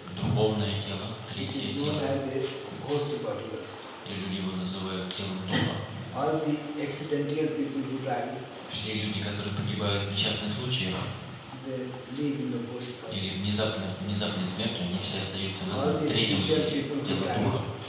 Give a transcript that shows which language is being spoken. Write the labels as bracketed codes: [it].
[ru] Духовное тело, третье тело. [en] Ghost body. [ru] И люди его называют телом духа. [en] All the accidental people who die. [ru] Все люди, которые погибают в несчастных случаях, или внезапной смерти, они все остаются на третьем теле, теле духа.